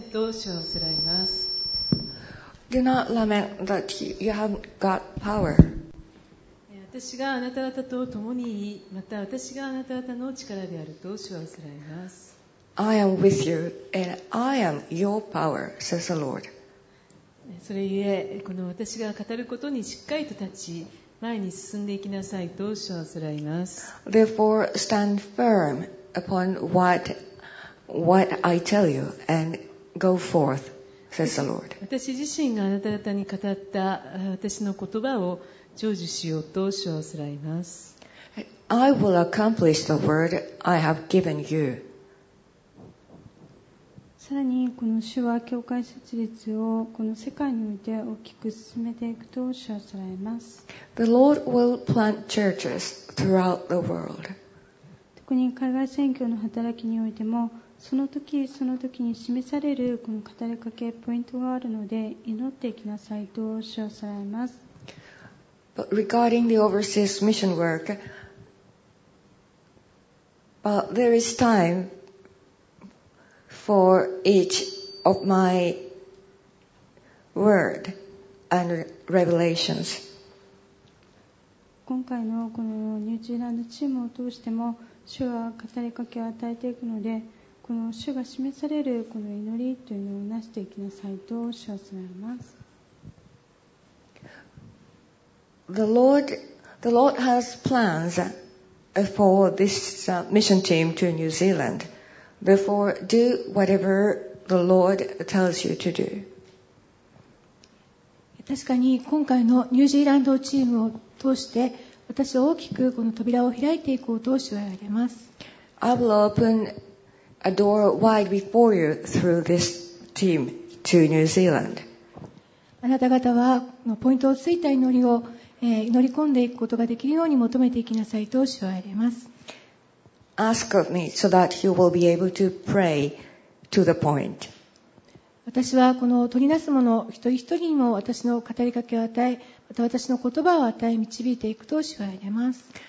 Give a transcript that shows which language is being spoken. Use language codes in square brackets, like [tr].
[en] Do not lament that you have got power. [ja] 私があなた方と共にいい、また私があなた方の力であると主はおっしゃいます。 [en] I am with you and I am your power, says the Lord. [ja] それゆえ、この私が語ることにしっかりと立ち、前に進んでいきなさいと主はおっしゃいます。 [en] Therefore, stand firm upon what I tell you and go forth. Says the Lord. [ja] 私自身があなた方に語った私の言葉を成就しようと主はおっしゃいます。 [en] I will accomplish the word I have given you. [ja] さらにこの主は教会設立をこの世界において大きく進めていくと主はおっしゃいます。 [en] The Lord will plant churches throughout the world. [ja] 特に海外宣教の働きにおいてもその時その時に示されるこの語りかけポイントがあるので祈っていきなさいと主はおっしゃいます。 [en] But regarding the overseas mission work, but there is time for each of my word and revelations. [ja] 今回のこのニュージーランドチームを通しても主は語りかけを与えていくので。この主が示されるこの祈りというのをなしていきなさいと主はおっしゃいます。 [en] The Lord has plans for this mission team to New Zealand. Therefore, do whatever the Lord tells you to do. [ja] 確かに今回のニュージーランドチームを通して、私は大きくこの扉を開いていこうと主は言われます。 [en] I will open a door wide before you through this team to New Zealand. [ja] あなた方はポイントをついた祈りを乗り込んでいくことができるように求めていきなさいと主は言われます。 [en] Ask of me so that you will be able to pray to the point. [ja] 私はこの取りなす者一人一人にも私の語りかけを与え、また私の言葉を与え導いていくと主は言われます。